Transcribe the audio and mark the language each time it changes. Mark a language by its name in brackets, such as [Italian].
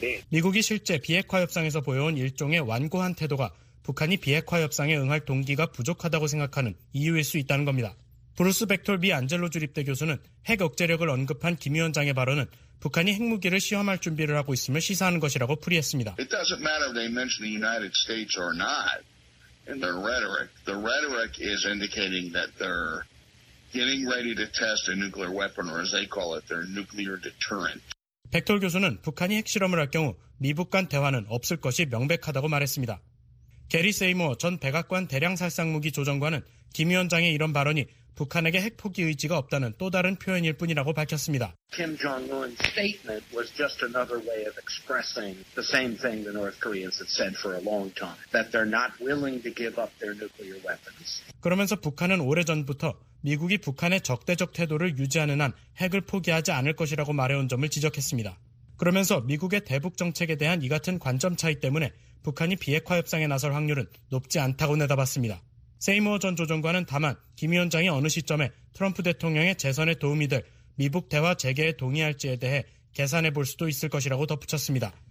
[Korean] 미국이 실제 비핵화 협상에서 보여온 일종의 완고한 태도가 북한이 비핵화 협상에 응할 동기가 부족하다고 생각하는 이유일 수 있다는 겁니다. 브루스 벡톨 미 안젤로 주립대 교수는 핵 억제력을 언급한 김 위원장의 발언은 북한이 핵무기를 시험할 준비를 하고 있음을 시사하는 것이라고 풀이했습니다. [English] It doesn't matter if they mention the United States or not in their rhetoric. The rhetoric is indicating that they're getting ready to test a nuclear weapon, or as they call it, their nuclear deterrent. [Korean] 백털 교수는 북한이 핵실험을 할 경우 미북 간 대화는 없을 것이 명백하다고 말했습니다. 게리 세이머 전 백악관 대량살상무기 조정관은 김 위원장의 이런 발언이 북한에게 핵포기 의지가 없다는 또 다른 표현일 뿐이라고 밝혔습니다. [English] Kim Jong-un's statement was just another way of expressing the same thing the North Koreans had said for a long time, that they're not willing to give up their nuclear weapons. [Korean] 그러면서 북한은 오래전부터 미국이 북한의 적대적 태도를 유지하는 한 핵을 포기하지 않을 것이라고 말해온 점을 지적했습니다. 그러면서 미국의 대북 정책에 대한 이 같은 관점 차이 때문에 북한이 비핵화 협상에 나설 확률은 높지 않다고 내다봤습니다. 세이머 전 조정관은 다만 김 위원장이 어느 시점에 트럼프 대통령의 재선에 도움이 될 미북 대화 재개에 동의할지에 대해 계산해 볼 수도 있을 것이라고 덧붙였습니다.